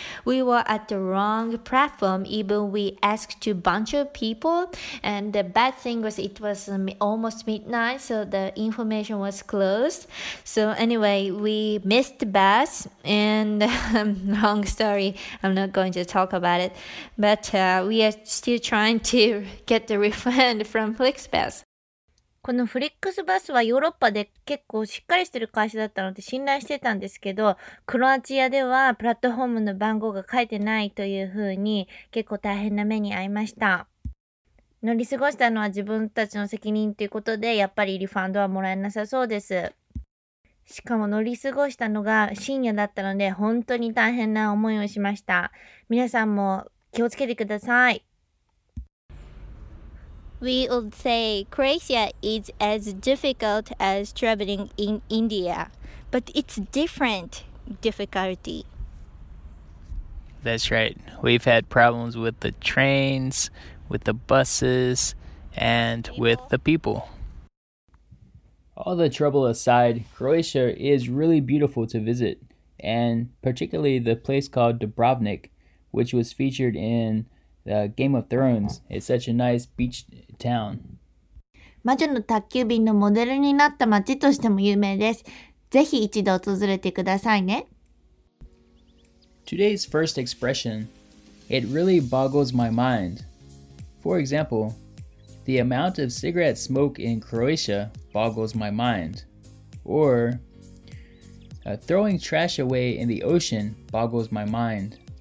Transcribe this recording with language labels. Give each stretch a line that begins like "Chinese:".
English: We were at the wrong platform. Even we asked a bunch of people, and the bad thing was it was almost midnight, so the information was closed. So anyway, we missed the bus, and long story, I'm not going to talk about it, but we are still trying to get the refund from FlixBus.
Japanese: このフリックスバスはヨーロッパで結構しっかりしてる会社だったので信頼してたんですけど、クロアチアではプラットフォームの番号が書いてないというふうに結構大変な目に遭いました。乗り過ごしたのは自分たちの責任ということで、やっぱりリファンドはもらえなさそうです。しかも乗り過ごしたのが深夜だったので本当に大変な思いをしました。皆さんも気をつけてください。
English: We would say Croatia is as difficult as traveling in India, but it's different difficulty. That's right. We've had problems with the trains, with the buses, and with the people. All the trouble aside, Croatia is really beautiful to visit, and particularly the place called Dubrovnik, which was featured in... Game of Thrones. It's such a nice beach town.
Japanese: 魔女の宅急便のモデルになった街としても有名です。ぜひ一度訪れてくださいね。
English: Today's first expression, it really boggles my mind. For example, the amount of cigarette smoke in Croatia boggles my mind. Or, throwing trash away in the ocean boggles my mind.